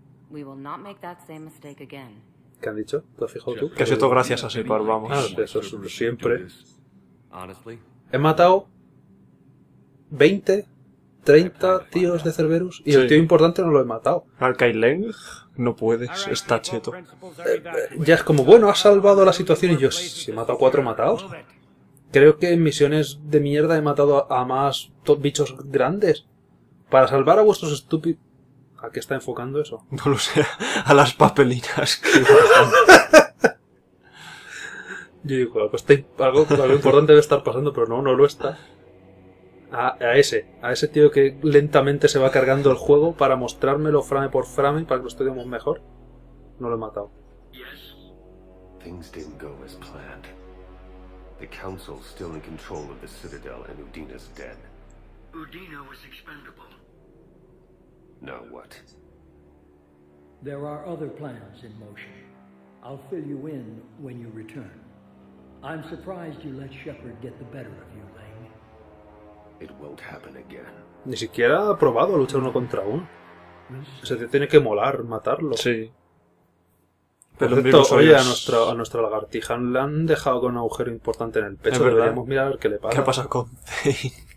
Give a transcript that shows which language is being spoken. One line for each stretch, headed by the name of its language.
English: We will not make that same mistake again.
Spanish: ¿Qué han dicho? ¿Te has fijado tú? Que ha sido todo gracias a Separ, vamos. Ah, eso es siempre. He matado 20, 30 tíos de Cerberus y sí. El tío importante no lo he matado. Al Kai Leng, no puedes, está cheto. Ya es como, bueno, has salvado la situación y yo, si he matado 4 matados. Creo que en misiones de mierda he matado a más bichos grandes. Para salvar a vuestros estúpidos... ¿A qué está enfocando eso? No lo sé, a las papelinas. Yo digo, pues algo importante debe estar pasando, pero no lo está. A ese tío que lentamente se va cargando el juego para mostrármelo frame por frame para que lo estudiemos mejor. No lo he matado.
English: Things didn't go as planned. The council still in control of the citadel and Udina's dead. Udina was expendable. Now what? There are other plans in motion. I'll fill you in when you return. I'm surprised you let Shepard get the better of you, Lane. It won't happen again.
Spanish: Ni siquiera ha probado a luchar uno contra uno. O sea, te tiene que molar matarlo. Sí. Pero cierto, oye, a nuestra lagartija le han dejado con un agujero importante en el pecho. Deberíamos mirar qué le pasa. ¿Qué pasa con Zane?